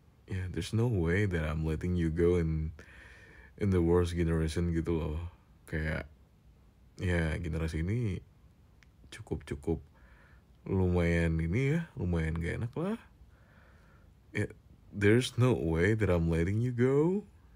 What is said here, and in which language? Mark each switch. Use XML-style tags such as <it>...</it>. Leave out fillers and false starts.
<en>Yeah, there's no way that I'm letting you go in the worst generation</en> <id>gitu loh. Kayak ya generasi ini cukup-cukup lumayan ini ya, lumayan gak enak lah.</id> <en>Yeah, there's no way that I'm letting you go.</en>